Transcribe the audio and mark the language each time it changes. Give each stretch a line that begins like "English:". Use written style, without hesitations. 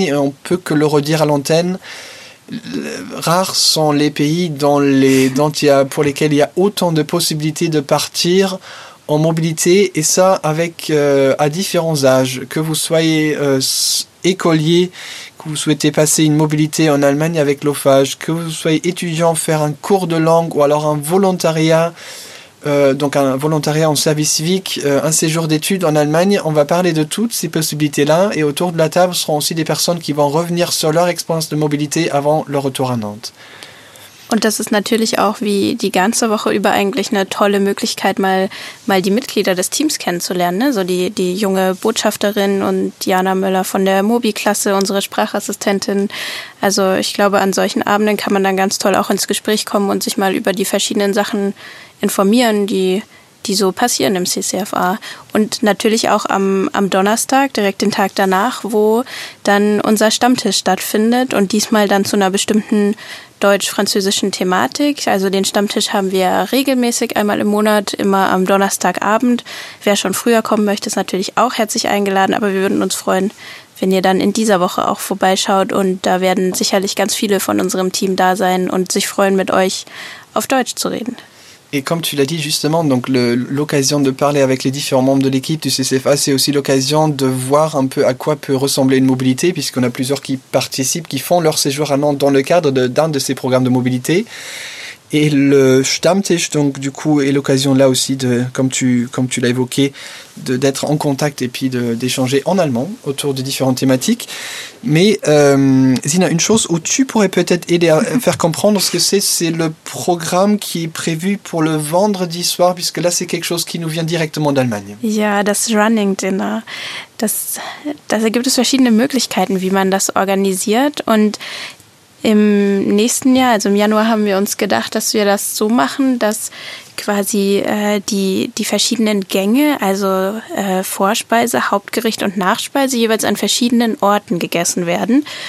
French: Et on peut que le redire à l'antenne, rares sont les pays pour lesquels il y a autant de possibilités de partir en mobilité, et ça à différents âges, que vous soyez écolier, que vous souhaitez passer une mobilité en Allemagne avec l'OFAGE, que vous soyez étudiant, faire un cours de langue ou alors un volontariat en service civique, un séjour d'études en Allemagne. On va parler de toutes ces possibilités-là et autour de la table seront aussi des personnes qui vont revenir sur leur expérience de mobilité avant leur retour à Nantes.
German: Und das ist natürlich auch wie die ganze Woche über eigentlich eine tolle Möglichkeit, mal die Mitglieder des Teams kennenzulernen. Ne? So die junge Botschafterin und Jana Möller von der Mobi-Klasse, unsere Sprachassistentin. Also ich glaube, an solchen Abenden kann man dann ganz toll auch ins Gespräch kommen und sich mal über die verschiedenen Sachen informieren, die so passieren im CCFA. Und natürlich auch am Donnerstag, direkt den Tag danach, wo dann unser Stammtisch stattfindet und diesmal dann zu einer bestimmten deutsch-französischen Thematik. Also den Stammtisch haben wir regelmäßig einmal im Monat, immer am Donnerstagabend. Wer schon früher kommen möchte, ist natürlich auch herzlich eingeladen, aber wir würden uns freuen, wenn ihr dann in dieser Woche auch vorbeischaut und da werden sicherlich ganz viele von unserem Team da sein und sich freuen, mit euch auf Deutsch zu reden.
French: Et comme tu l'as dit justement, donc l'occasion de parler avec les différents membres de l'équipe du CCFA, c'est aussi l'occasion de voir un peu à quoi peut ressembler une mobilité, puisqu'on a plusieurs qui participent, qui font leur séjour à Nantes dans le cadre d'un de ces programmes de mobilité. Et le Stammtisch, donc, du coup, est l'occasion là aussi, de, comme tu l'as évoqué, d'être en contact et puis d'échanger en allemand autour de différentes thématiques. Mais, Zina, une chose où tu pourrais peut-être aider à faire comprendre ce que c'est le programme qui est prévu pour le vendredi soir, puisque là, c'est quelque chose qui nous vient directement d'Allemagne.
German: Ja, das Running Dinner. Das gibt es verschiedene Möglichkeiten, wie man das organisiert. Und im nächsten Jahr, also im Januar, haben wir uns gedacht, dass wir das so machen, dass quasi die verschiedenen Gänge, also Vorspeise, Hauptgericht und Nachspeise, jeweils an verschiedenen Orten gegessen werden.